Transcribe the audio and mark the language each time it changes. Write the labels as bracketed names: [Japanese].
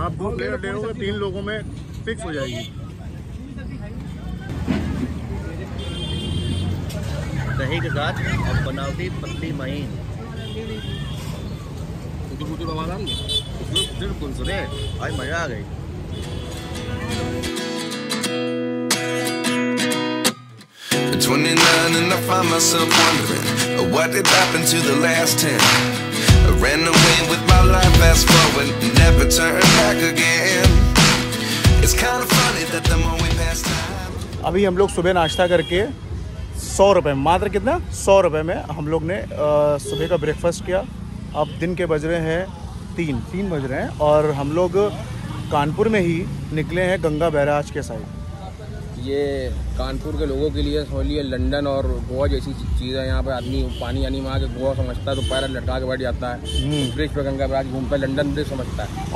[Hindi] आप 2 प्लेट ले रहे हो 3 लोगों में फिक्स हो जाएगी। दही के साथ और बनावटी पत्ती मही बिल्कुल सुने आज मजा आ गई। [English] '29 and I find myself wondering, what did happen to the last 10? I ran away with my life fast forward, never turned back again. It's kind of funny that the more we pass time. [Hindi] अभी हम लोग सुबह नाश्ता करके 100 रुपए मात्र कितना 100 रुपए में हम लोग ने सुबह का ब्रेकफास्ट किया। अब दिन के बज रहे हैं 3 बज रहे हैं और हम लोग कानपुर में ही निकले हैं गंगा बैराज के साइड। ये कानपुर के लोगों के लिए समझ लिए लंदन और गोवा जैसी चीज़ है, यहाँ पर आदमी पानी यानी मार के गोवा समझता है तो पैर लटका के बैठ जाता है, ब्रिज पर गंगा बैराज घूमता है, लंदन ब्रिज समझता है।